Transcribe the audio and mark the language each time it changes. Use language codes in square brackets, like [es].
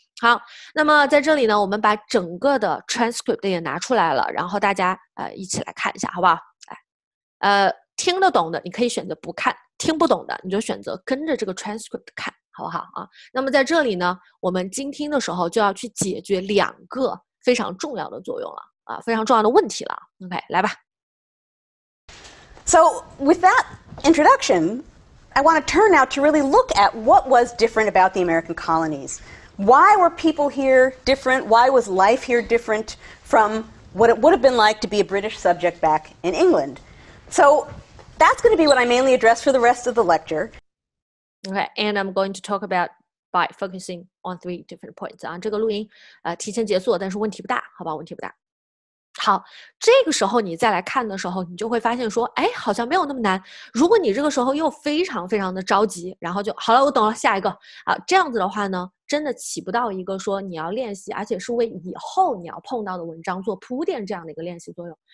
[zh] 好，那么在这里呢，我们把整个的 transcript 也拿出来了，然后大家一起来看一下，好不好？来，听得懂的你可以选择不看，听不懂的你就选择跟着这个 transcript 看，好不好啊？那么在这里呢，我们精听的时候就要去解决两个非常重要的作用了啊，非常重要的问题了。 OK， 来吧。 [en] So with that introduction, I want to turn now to really look at what was different about the American colonies. Why were people here different? Why was life here different from what it would have been like to be a British subject back in England? So. That's going to be what I mainly address for the rest of the lecture. Okay, and I'm going to talk about by focusing on three different points. [zh] 这个录音提前结束了，但是问题不大，好吧，问题不大。好，这个时候你再来看的时候，你就会发现说，哎，好像没有那么难。如果你这个时候又非常非常的着急，然后就好了，我懂了，下一个。好，这样子的话呢，真的起不到一个说你要练习，而且是为以后你要碰到的文章做铺垫这样的一个练习作用。